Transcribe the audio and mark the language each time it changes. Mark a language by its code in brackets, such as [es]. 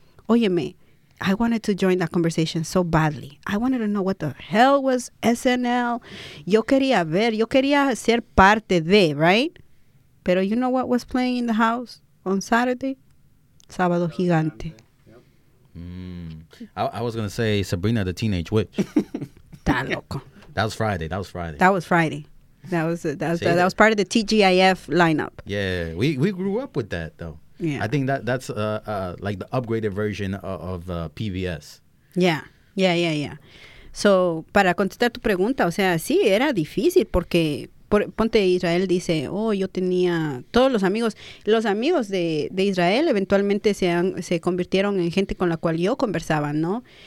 [es] Óyeme, [en] I wanted to join that conversation so badly. I wanted to know what the hell was SNL. [es] Yo quería ver, yo quería ser parte de, right? [en] Pero you know what was playing in the house on Saturday? [es] Sábado Gigante. [en] I was going to say Sabrina the Teenage Witch. [es] Está loco. [en] That was Friday. That was Friday. That was part of the TGIF lineup. Yeah, we grew up with that, though. Yeah. I think that's like the upgraded version of PBS. Yeah. [es] So, para contestar tu pregunta, o sea, sí, era difícil porque, ponte Israel dice, oh, yo tenía todos los amigos de Israel eventualmente se convirtieron en gente con la cual yo conversaba, ¿no?